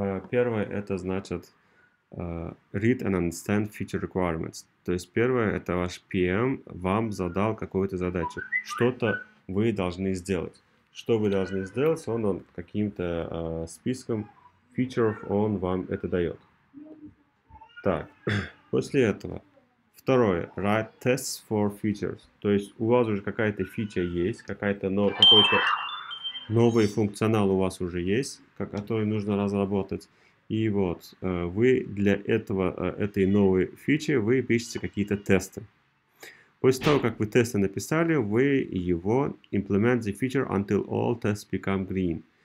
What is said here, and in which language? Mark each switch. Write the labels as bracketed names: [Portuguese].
[Russian] Первое это значит [English] read and understand feature requirements. [Russian] То есть первое это ваш PM вам задал какую-то задачу. Что-то вы должны сделать. Что вы должны сделать, он каким-то списком фичеров он вам это дает. Так, после этого. Второе, [English] write tests for features. [Russian] То есть у вас уже какая-то фича есть, какой-то новый функционал у вас уже есть, который нужно разработать. И вот вы для этой новой фичи вы пишете какие-то тесты. После того, как вы тесты написали, вы его [English] implement the feature until all tests become green.